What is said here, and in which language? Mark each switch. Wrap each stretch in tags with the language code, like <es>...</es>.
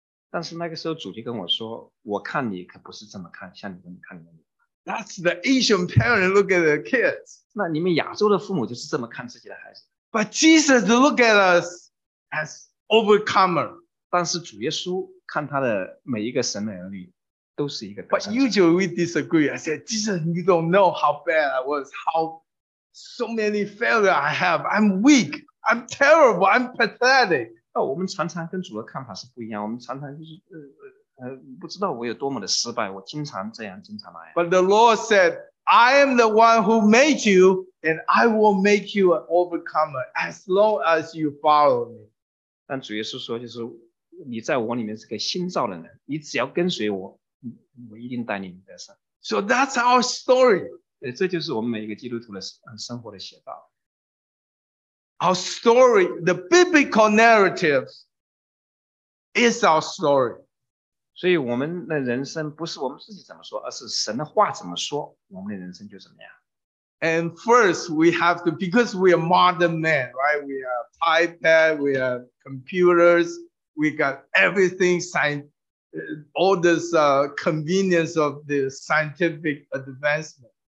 <zh>但是那个时候主题跟我说，我看你可不是这么看，像你们看的。</zh> <en>That's the Asian parent look at the kids.</en> <zh>那你们亚洲的父母就是这么看自己的孩子。</zh> <en>But Jesus look at us as overcomer.</en> <zh>但是主耶稣看他的每一个神的儿女都是一个得胜者。</zh> <en>But usually we disagree. I said, Jesus, you don't know how bad I was, how so many failure I have. I'm weak. I'm terrible. I'm pathetic.</en> <zh>我们常常跟主的看法是不一样，我们常常就是不知道我有多么的失败，我经常这样，经常那样。</zh> <en>But the Lord said, I am the one who made you, and I will make you an overcomer as long as you follow me.</en> <zh>但主耶稣说，就是你在我里面是个新造的人，你只要跟随我，我一定带你得胜。</zh> <en>So that's our story.</en> <zh>这就是我们每一个基督徒的生活的写照。</zh> <en>Our story, the biblical narrative is our story.</en> <zh>所以我们的人生不是我们自己怎么说，而是神的话怎么说，我们的人生就怎么样。</zh> <en>And first, we have to, because we are modern men, right? We have iPad, we have computers, we got everything, all this convenience of the scientific advancement.</en>